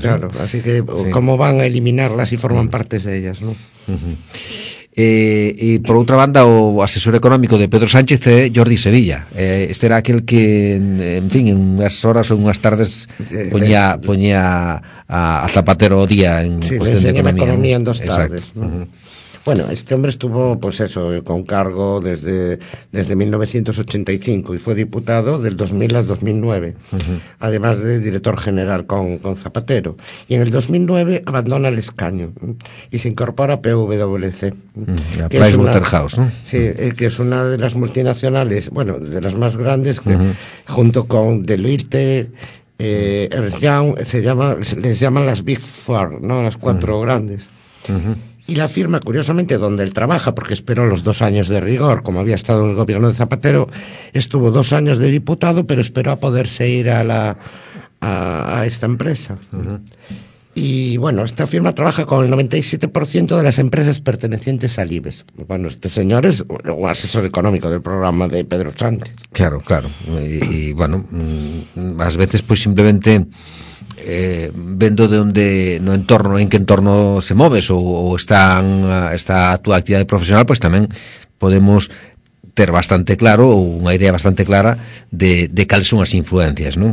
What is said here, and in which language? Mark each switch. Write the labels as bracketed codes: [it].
[es] Claro, ¿no? Así que, sí. como van a eliminarlas si forman uh-huh. partes de ellas, ¿no? Uh-huh. [gl] E por outra banda, o asesor económico de Pedro Sánchez é Jordi Sevilla. Este era aquel que, en fin, en unhas horas ou unhas tardes poñía a Zapatero o día en [es] sí, [gl] cuestión de economía. [es] Sí, le enseñaba economía en dos tardes. Exacto. Uh-huh. Bueno, este hombre estuvo, pues eso, con cargo desde 1985 y fue diputado del 2000 al 2009, uh-huh. además de director general con Zapatero. Y en el 2009 abandona el escaño y se incorpora a PwC. Uh-huh. A Pricewaterhouse, ¿no? Sí, que es una de las multinacionales, bueno, de las más grandes, que, uh-huh. junto con Deloitte, Ernst & Young, les llaman las Big Four, ¿no? Las cuatro uh-huh. grandes. Uh-huh. Y la firma, curiosamente, donde él trabaja, porque esperó los dos años de rigor, como había estado en el gobierno de Zapatero, estuvo dos años de diputado, pero esperó a poderse ir a esta empresa. Uh-huh. Y bueno, esta firma trabaja con el 97% de las empresas pertenecientes al IBEX. Bueno, este señor es un asesor económico del programa de Pedro Sánchez. Claro, claro. Y bueno, más veces pues simplemente... [gl] vendo de onde no entorno, en que entorno se moves ou están esta túa actividade profesional, pois tamén podemos ter bastante claro ou unha idea bastante clara de cales son as influencias, non?